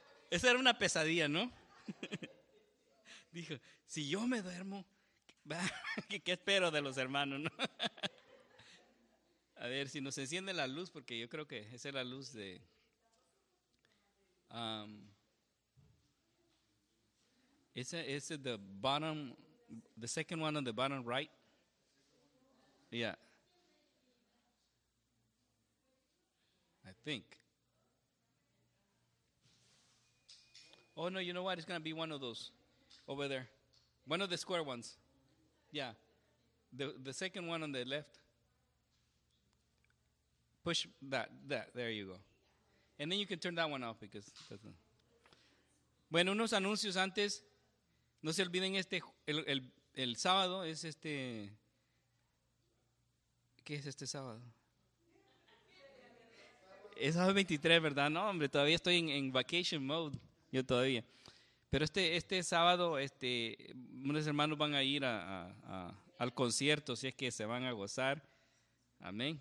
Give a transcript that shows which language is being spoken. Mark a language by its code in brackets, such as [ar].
[es] Esa era una pesadilla, ¿no? Dijo, si yo me duermo, ¿qué espero de los hermanos, no? A ver, si nos enciende la luz, porque yo creo que esa es la luz de... [en] Is it the bottom, the second one on the bottom right? Yeah. I think. Oh, no, you know what? It's going to be one of those over there. One of the square ones. Yeah. The second one on the left. Push that. There you go. And then you can turn that one off because that's not. [es] Bueno, unos anuncios antes. No se olviden el sábado es ¿qué es este sábado? Es sábado 23, ¿verdad? No, hombre, todavía estoy en [en] vacation mode, [es] yo todavía. Pero este sábado, unos hermanos van a ir al concierto, si es que se van a gozar. Amén.